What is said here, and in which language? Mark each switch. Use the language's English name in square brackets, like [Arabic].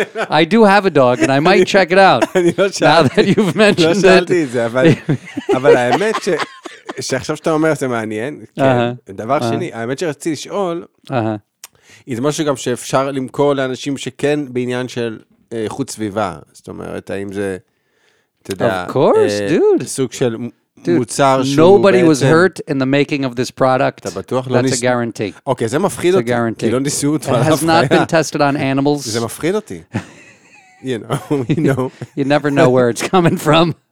[English] I do have a dog and I might check it out. [Hebrew] אני לא שאלתי. [English] Now that you've mentioned it. [Hebrew] לא שאלתי את זה, אבל האמת ש... שעכשיו שאתה אומר, זה מעניין. דבר שני, האמת שרציתי לשאול, זה משהו גם שאפשר למכור לאנשים שכן בעניין של איכות סביבה. זאת אומרת, האם זה, אתה יודע, [English] of course, dude. [Hebrew] סוג של מוצר שהוא בעצם... [English] Nobody was hurt in the making of this product. [Hebrew] אתה בטוח? [English] That's a guarantee. [Hebrew] אוקיי, זה מפחיד אותי. כי לא ניסו אותו על הפריה. [English] It has not been tested on animals. [Hebrew] זה מפחיד אותי. [English] You know. You never know where it's coming from.